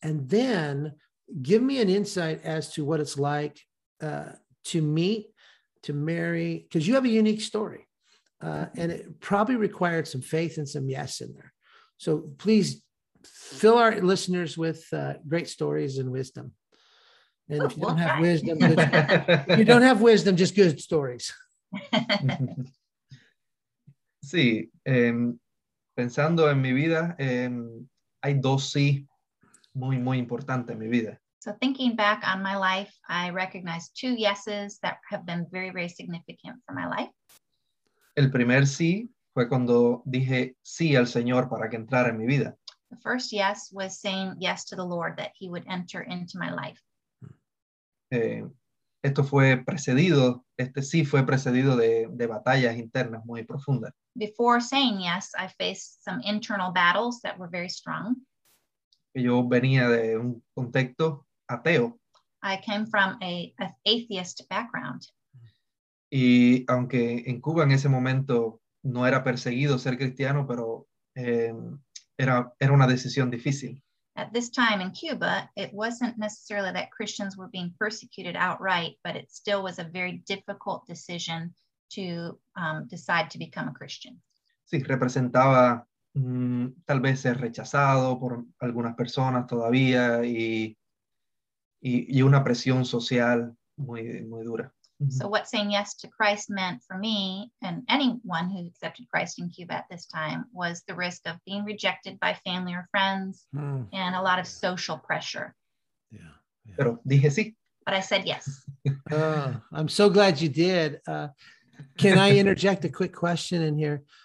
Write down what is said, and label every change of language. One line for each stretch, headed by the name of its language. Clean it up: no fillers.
English: And then give me an insight as to what it's like to meet, to marry, because you have a unique story, and it probably required some faith and some yes in there. So please fill our listeners with great stories and wisdom. And if you don't have wisdom, if you don't have wisdom, just good stories.
Spanish: Sí, pensando en mi vida, hay dos sí muy, muy importantes en mi vida.
English: So thinking back on my life, I recognize two yeses that have been very, very significant for my life.
Spanish: El primer sí fue cuando dije sí al Señor para que entrara en mi vida.
English: The first yes was saying yes to the Lord, that he would enter into my life.
Spanish: Esto fue precedido, este sí fue precedido de batallas internas muy profundas.
English: Before saying yes, I faced some internal battles that were very strong.
Spanish: Yo venía de un contexto ateo.
English: I came from an atheist background.
Spanish: Y aunque en Cuba en ese momento no era perseguido ser cristiano, pero era una decisión difícil.
English: At this time in Cuba, it wasn't necessarily that Christians were being persecuted outright, but it still was a very difficult decision to decide to become a Christian.
Spanish: Sí, representaba tal vez ser rechazado por algunas personas todavía y una presión social muy, muy dura. Mm-hmm.
English: So what saying yes to Christ meant for me and anyone who accepted Christ in Cuba at this time was the risk of being rejected by family or friends and a lot of social pressure. Yeah.
Spanish: Pero dije sí.
English: But I said yes. I'm so glad you did. Can I interject a quick question in here?